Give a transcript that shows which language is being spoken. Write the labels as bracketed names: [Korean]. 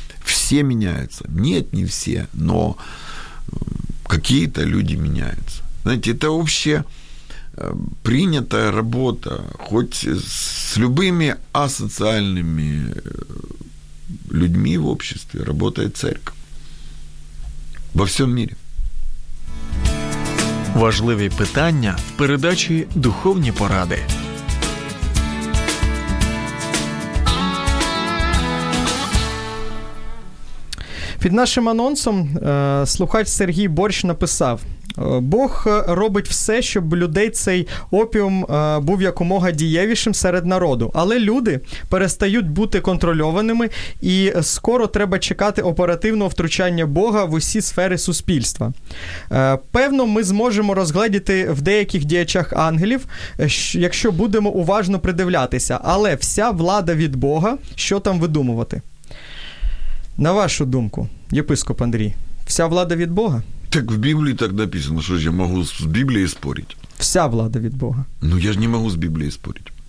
[Russian] Все меняются. Нет, не все, но какие-то люди меняются. Знаете, это вообще принятая работа, хоть с любыми асоциальными людьми в обществе работает церковь во всем мире. [Ukrainian] Важливі питання в передачі «Духовні поради». Під нашим анонсом слухач Сергій Борщ написав: Бог робить все, щоб людей цей опіум був якомога дієвішим серед народу. Але люди перестають бути контрольованими, і скоро треба чекати оперативного втручання Бога в усі сфери суспільства. Певно, ми зможемо розгледіти в деяких діячах ангелів, якщо будемо уважно придивлятися. Але вся влада від Бога, що там видумувати? На вашу думку, єпископ Андрій, вся влада від Бога? [Russian] Так в Библии так написано, что же я могу с Библией спорить? Вся влада от Бога. Ну, я же не могу с Библией спорить.